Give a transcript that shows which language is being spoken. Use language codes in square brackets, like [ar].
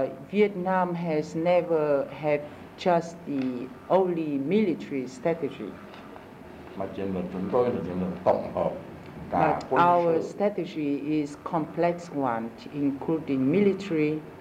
[en] Vietnam has never had just the only military strategy. [vi] Mà chiến lược chúng tôi là chiến lược tổng hợp. [en] But our strategy is complex one, including military.